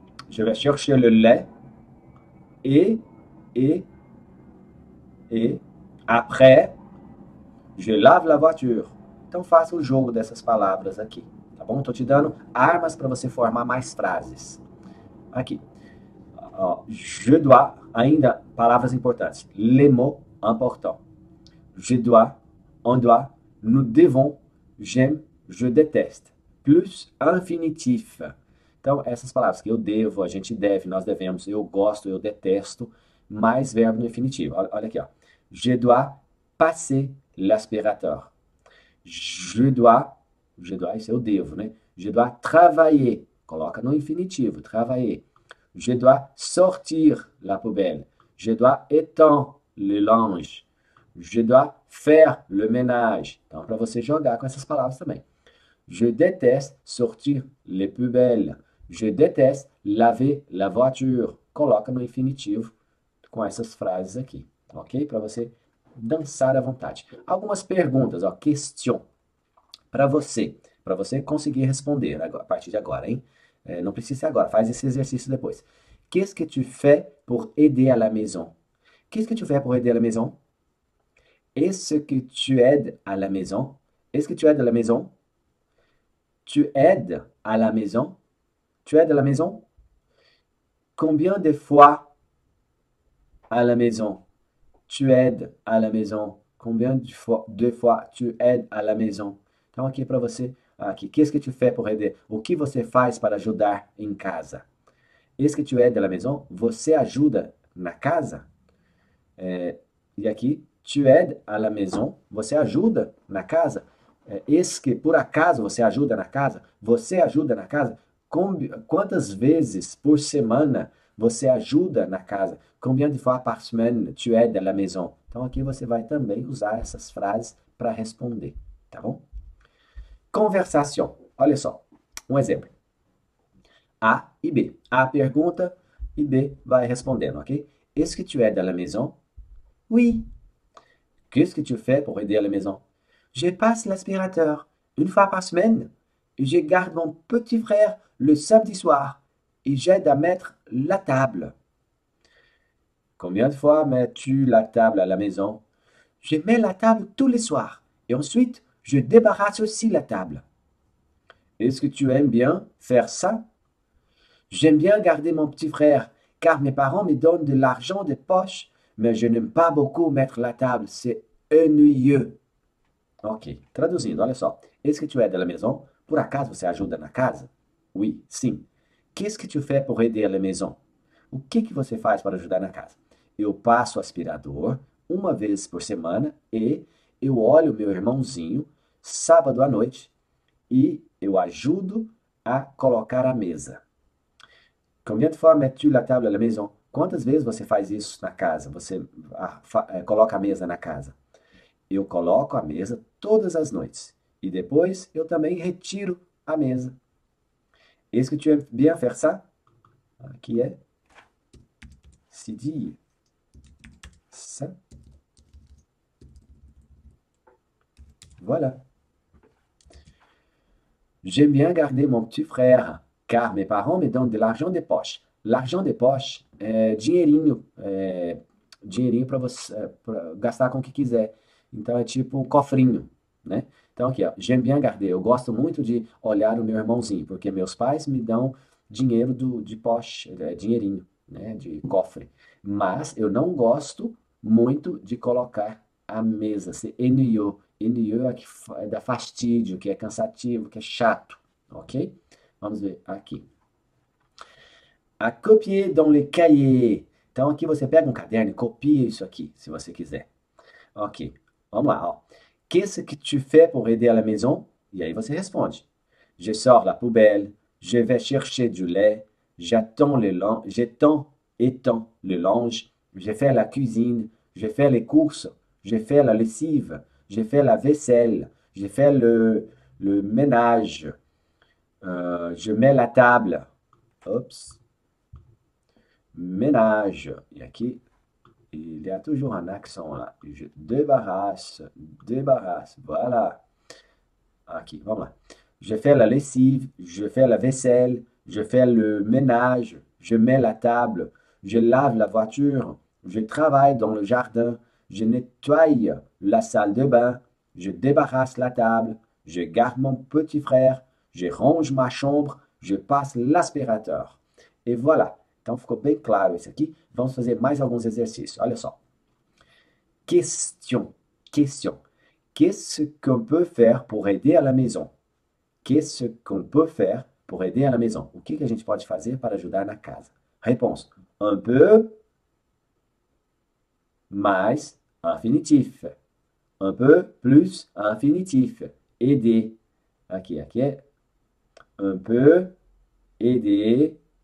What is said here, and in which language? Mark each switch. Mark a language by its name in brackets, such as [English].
[French] Je vais chercher le lait et après. Je lave la voiture. [Portuguese] Então faça o jogo dessas palavras aqui, tá bom? Estou te dando armas para você formar mais frases. Aqui. [French] Je dois, [Portuguese] ainda palavras importantes. [French] Les mots importants. Je dois, on doit, nous devons, j'aime, je déteste. Plus infinitif. [Portuguese] Então essas palavras que eu devo, a gente deve, nós devemos, eu gosto, eu detesto, mais verbo no infinitivo. Olha aqui, ó. [French] Je dois passer l'aspirateur. Je dois, [Portuguese] isso é o devo, né? [French] Je dois travailler. [Portuguese] Coloca no infinitivo, [French] travailler. Je dois sortir la poubelle. Je dois étendre le linge. Je dois faire le ménage. [Portuguese] Então, para você jogar com essas palavras também. [French] Je déteste sortir les poubelles. Je déteste laver la voiture. [Portuguese] Coloca no infinitivo com essas frases aqui, ok? Para você dançar à vontade. Algumas perguntas, ó, question para você conseguir responder agora, a partir de agora, hein? Não precisa ser agora, faz esse exercício depois. [French] Qu'est-ce que tu fais pour aider à la maison? Qu'est-ce que tu fais pour aider à la maison? Est-ce que tu aides à la maison? Est-ce que tu aides à la maison? Tu aides à la maison? Tu aides à la maison? Combien de fois à la maison? Tu aides à la maison. Combien de fois, tu aides à la maison? [Portuguese] Então, aqui para você, aqui, [French] qu'est-ce que tu fais pour aider? [Portuguese] O que você faz para ajudar em casa? [French] Est-ce que tu aides à la maison? [Portuguese] Você ajuda na casa? E aqui, [French] tu aides à la maison? [Portuguese] Você ajuda na casa? Est-ce que, por acaso, você ajuda na casa? Você ajuda na casa? Quantas vezes por semana você ajuda na casa? [French] Combien de fois par semaine tu aides à la maison? [Portuguese] Então, aqui você vai também usar essas frases para responder, tá bom? Conversation. Olha só, um exemplo. A e B. A pergunta e B vai respondendo, ok? [French] Est-ce que tu aides à la maison? Oui. Qu'est-ce que tu fais pour aider à la maison? Je passe l'aspirateur une fois par semaine et je garde mon petit frère le samedi soir. Et j'aide à mettre la table. Combien de fois mets-tu la table à la maison? Je mets la table tous les soirs. Et ensuite, je débarrasse aussi la table. Est-ce que tu aimes bien faire ça? J'aime bien garder mon petit frère, car mes parents me donnent de l'argent de poche, mais je n'aime pas beaucoup mettre la table. C'est ennuyeux. [Portuguese] Ok, traduzindo, olha só. [French] Est-ce que tu aides à la maison? [Portuguese] Por acaso, você ajuda na casa? [French] Oui, [Portuguese] sim. [French] Qu'est-ce que tu fais pour aider à la maison? [Portuguese] O que que você faz para ajudar na casa? Eu passo o aspirador uma vez por semana e eu olho meu irmãozinho sábado à noite e eu ajudo a colocar a mesa. [French] Combien de fois mets-tu la table à la maison? [Portuguese] Quantas vezes você faz isso na casa? Você coloca a mesa na casa? Eu coloco a mesa todas as noites. E depois eu também retiro a mesa. [French] Est-ce que tu aimes bien faire ça? Qui est? C'est dit. Ça. Voilà. J'aime bien garder mon petit frère, car mes parents me donnent de l'argent de poche. L'argent de poche [Portuguese] é dinheirinho. É dinheirinho para você gastar com o que quiser. Então é tipo um cofrinho, né? Então aqui, ó. [French] J'aime bien garder. [Portuguese] Eu gosto muito de olhar o meu irmãozinho, porque meus pais me dão dinheiro [French] de poche, [Portuguese] dinheirinho, né? De cofre. Mas eu não gosto muito de colocar a mesa. [French] Se ennuyeux. Ennuyeux [Portuguese] é dá fastidio, que é cansativo, que é chato. Ok? Vamos ver aqui. [French] A copier dans le cahier. [Portuguese] Então aqui você pega um caderno e copia isso aqui, se você quiser. Ok, vamos lá. [French] Qu'est-ce que tu fais pour aider à la maison? [Portuguese] E aí você responde. [French] Je sors la poubelle, je vais chercher du lait, j'étends le linge, je fais la cuisine, je fais les courses, je fais la lessive, je fais la vaisselle, je fais le ménage, je mets la table. Oups. Ménage. Et ici, il y a toujours un accent là. Je débarrasse, débarrasse. Voilà. [Portuguese] Ok, vamos lá. [French] Je fais la lessive, je fais la vaisselle, je fais le ménage, je mets la table, je lave la voiture, je travaille dans le jardin, je nettoie la salle de bain, je débarrasse la table, je garde mon petit frère, je range ma chambre, je passe l'aspirateur. Et voilà. [Portuguese] Então ficou bem claro isso aqui. Vamos fazer mais alguns exercícios. Olha só. [French] Question. Question. Qu'est-ce qu'on peut faire pour aider à la maison? Qu'est-ce qu'on peut faire pour aider à la maison? [Portuguese] O que que a gente pode fazer para ajudar na casa? [French] Réponse. Un peu. Mais. Infinitif. Un peu plus infinitif. Aider. [Portuguese] Aqui é. [French] Un peu. Aider.